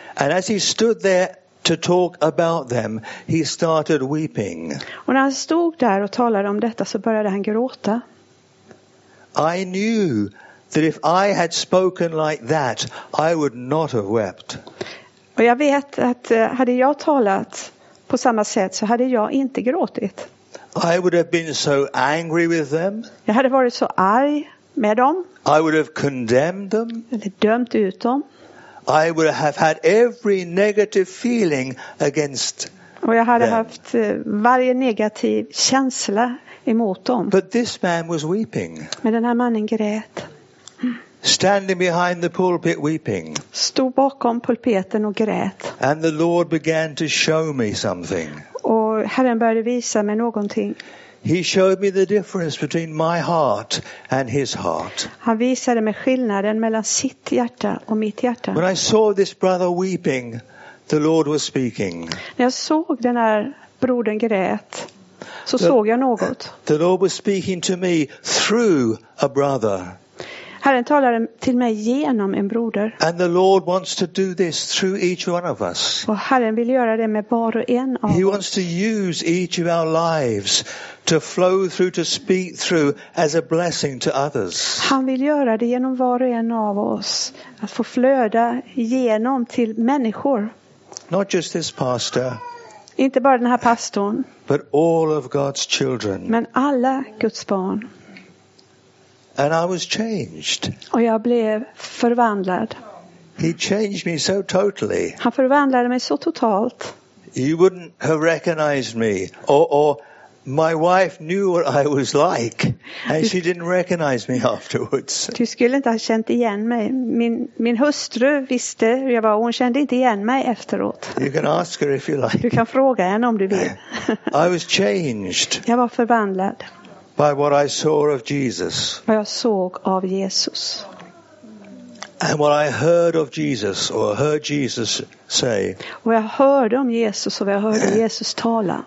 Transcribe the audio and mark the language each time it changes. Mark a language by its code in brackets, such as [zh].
[en] And as he stood there to talk about them, he started weeping. [sv] Och när han stod där och talade om detta så började han gråta. [en] I knew that if I had spoken like that, I would not have wept. [sv] Och jag vet att hade jag talat på samma sätt så hade jag inte gråtit. [en] I would have been so angry with them. [sv] Jag hade varit så arg med dem. [en] I would have condemned them. [sv] Eller dömt ut dem. [en] I would have had every negative feeling against them. [sv] Och jag hade haft varje negativ känsla emot dem. [en] But this man was weeping. [sv] Men den här mannen grät. [en] Standing behind the pulpit weeping. [sv] Stod bakom pulpeten och grät. [en] And the Lord began to show me something. [sv] Och Herren började visa mig någonting. [en] He showed me the difference between my heart and his heart. [sv] Han visade mig skillnaden mellan sitt hjärta och mitt hjärta. [en] When I saw this brother weeping, the Lord was speaking. [sv] När jag såg den här brodern grät, så såg jag något. [en] The Lord was speaking to me through a brother. [sv] Herren talar till mig genom en broder. [en] And the Lord wants to do this through each one of us. [sv] Och Herren vill göra det med var och en av oss. [en] He wants to use each of our lives to flow through, to speak through as a blessing to others. [sv] Han vill göra det genom var och en av oss, att få flöda genom till människor. [en] Not just this pastor. [sv] Inte bara den här pastorn. [en] But all of God's children. [sv] Men alla Guds barn. [en] And I was changed. [sv] Och jag blev förvandlad. [en] He changed me so totally. [sv] Han förvandlade mig så totalt. [en] You wouldn't have recognized me, or my wife knew what I was like, and she didn't recognize me afterwards. [sv] Du skulle inte ha känt igen mig. Min hustru visste hur jag var. Hon kände inte igen mig efteråt. [en] You can ask her if you like. [sv] Du kan fråga henne om du vill. [en] I was changed. [sv] Jag var förvandlad. [en] By what I saw of Jesus. [sv] Vad jag såg av Jesus. [en] And what I heard of Jesus, or heard Jesus say. [sv] Vad jag hörde om Jesus och vad jag hörde Jesus tala.